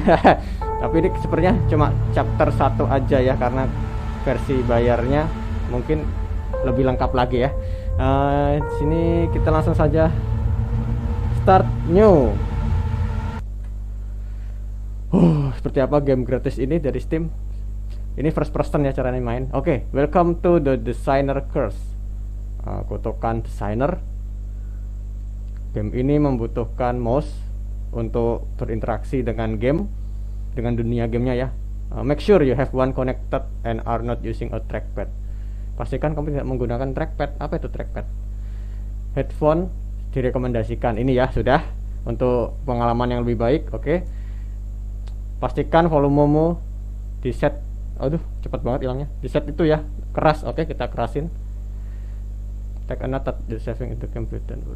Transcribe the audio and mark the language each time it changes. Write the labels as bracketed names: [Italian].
[Indonesian] Tapi ini sepertinya cuma chapter 1 aja ya, karena versi bayarnya mungkin lebih lengkap lagi ya. Sini kita langsung saja [English] start new. [Indonesian] Seperti apa game gratis ini dari Steam? Ini first person ya caranya main. [English] Oke, okay, welcome to the designer curse. [Indonesian] Kutukan designer. Game ini membutuhkan mouse untuk berinteraksi dengan game, dengan dunia gamenya ya. [English] Make sure you have one connected and are not using a trackpad. [Indonesian] Pastikan kamu tidak menggunakan trackpad. Apa itu trackpad? Headphone direkomendasikan. Ini ya sudah untuk pengalaman yang lebih baik. Oke, okay. Pastikan volumemu di set. Aduh, cepat banget hilangnya. Di set itu ya, keras. Oke, okay, kita kerasin. [English] Take a note that the saving in the computer.